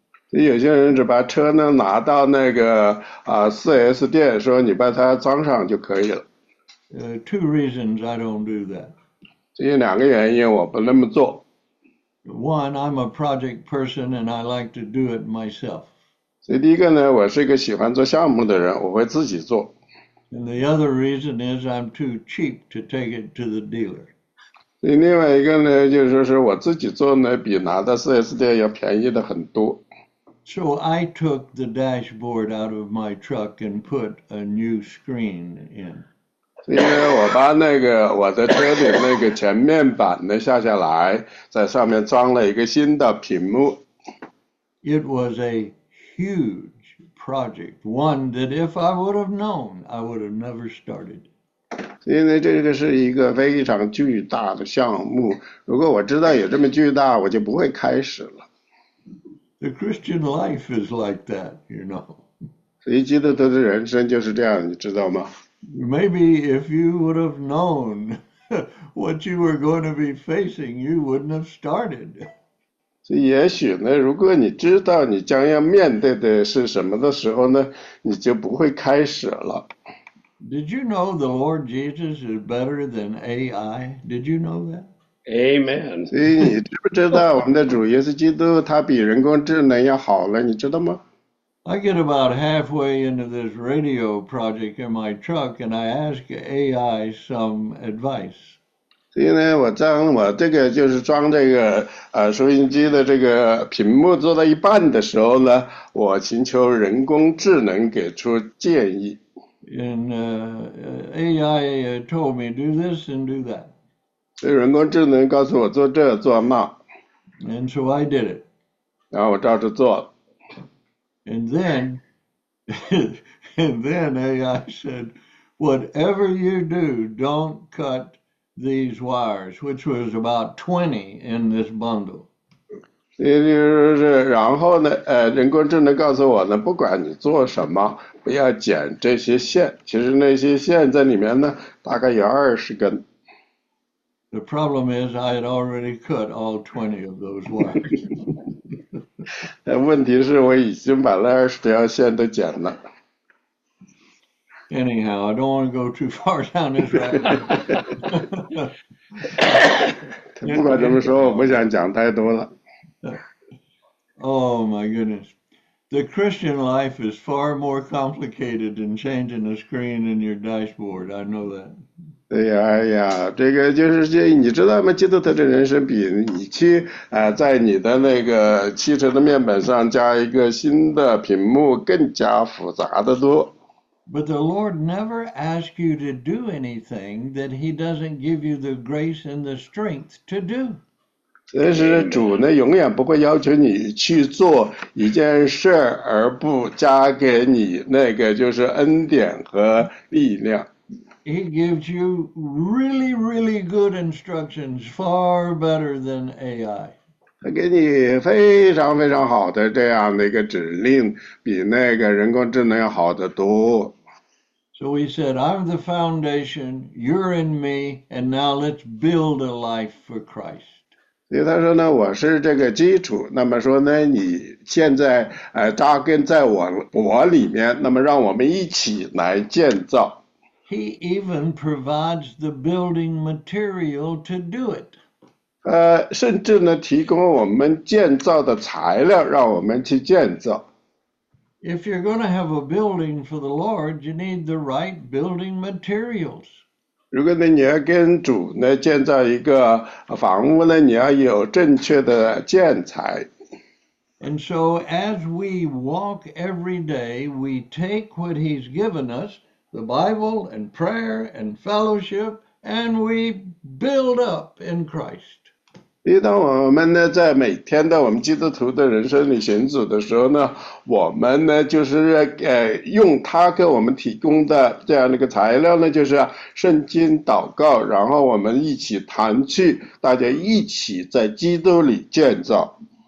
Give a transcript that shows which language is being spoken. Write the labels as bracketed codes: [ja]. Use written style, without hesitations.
[zh] 有些人只把车呢拿到那个4S 店，说你把它装上就可以了。 [en] Two reasons I don't do that. [zh] 这有两个原因我不那么做。 [en] One, I'm a project person and I like to do it myself. [zh] 所以第一个呢，我是一个喜欢做项目的人，我会自己做。 [en] And the other reason is I'm too cheap to take it to the dealer. [zh] 所以另外一个呢，就是说我自己做呢，比拿到 4S 店要便宜的很多。 [en] So I took the dashboard out of my truck and put a new screen in. [zh] 因为我把那个我的车顶那个前面板呢下下来，在上面装了一个新的屏幕。 [en] It was a huge project, one that if I would have known, I would have never started. [zh] 因为这个是一个非常巨大的项目，如果我知道有这么巨大，我就不会开始了。 [en] The Christian life is like that, you know. [zh] 所以基督徒的人生就是这样，你知道吗？ [en] Maybe if you would have known what you were going to be facing, you wouldn't have started. [zh] 所以也许呢，如果你知道你将要面对的是什么的时候呢，你就不会开始了。 [en] Did you know the Lord Jesus is better than AI? Did you know Amen. [zh] 所以你知不知道我们的主耶稣基督他比人工智能要好了，你知道吗？ [en] I get about halfway into this radio project in my truck and I ask AI some advice. [zh] 所以呢，我这个就是装这个收音机的这个屏幕做到一半的时候呢，我寻求人工智能给出建议。 [en] And AI told me, do this and do that. [zh] 所以人工智能告诉我做这做那， [en] And so I did it. [zh] 然后我照着做了。 [en] And then AI said, whatever you do, don't cut these wires, which was about 20 in this bundle. [zh] 也就是，然后呢，人工智能告诉我呢，不管你做什么，不要剪这些线。其实那些线在里面呢，大概有20根。 [en] The problem is, I had already cut all 20 of those wires. [zh] 问题是，我已经把那20条线都剪了。 [en] Anyhow, I don't want to go too far down this rabbit hole. [zh] 不管怎么说，我不想讲太多了。 [en] Oh my goodness. The Christian life is far more complicated than changing a screen in your dashboard. I know that. [zh] 对呀，哎呀，这个就是这，你知道吗？基督徒的人生比你去在你的那个汽车的面板上加一个新的屏幕更加复杂得多。 [en] But the Lord never asks you to do anything that He doesn't give you the grace and the strength to do. [zh] 但是主呢，永远不会要求你去做一件事儿，而不加给你那个就是恩典和力量。 [en] He gives you really, really good instructions, far better than AI. [zh] 他给你非常非常好的这样的一个指令，比那个人工智能要好得多。 [en] So he said, I'm the foundation, you're in me, and now let's build a life for Christ. [zh] 所以他说呢，我是这个基础。那么说呢，你现在扎根在我里面，那么让我们一起来建造。 [en] He even provides the building material to do it. [zh] 甚至呢，提供我们建造的材料，让我们去建造。 [en] If you're going to have a building for the Lord, you need the right building materials. [zh] 如果呢，你要跟主呢建造一个房屋呢，你要有正确的建材。 [en] And so, as we walk every day, we take what He's given us, the Bible and prayer and fellowship, and we build up in Christ. [zh] 一旦我们呢，在每天的我们基督徒的人生里行走的时候呢，我们呢就是用他给我们提供的这样的一个材料呢，就是圣经祷告，然后我们一起弹去，大家一起在基督里建造。